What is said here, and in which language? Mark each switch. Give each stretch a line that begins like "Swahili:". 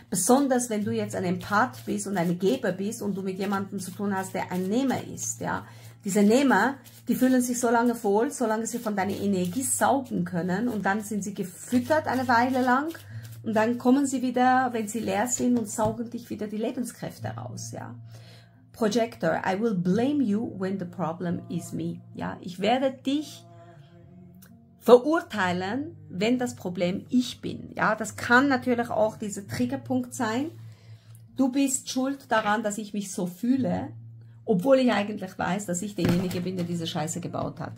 German: Besonders wenn du jetzt ein Empath bist und ein Geber bist und du mit jemandem zu tun hast, der ein Nehmer ist, ja. Diese Nehmer, die fühlen sich so lange wohl, solange sie von deiner Energie saugen können und dann sind sie gefüttert eine Weile lang und dann kommen sie wieder, wenn sie leer sind und saugen dich wieder die Lebenskräfte raus, ja.
English: Projector, I will blame you when the problem is me, ja.
German: Ich werde dich verurteilen, wenn das Problem ich bin, ja. Das kann natürlich auch dieser Triggerpunkt sein. Du bist schuld daran, dass ich mich so fühle, obwohl ich eigentlich weiß, dass ich derjenige bin, der diese Scheiße gebaut hat.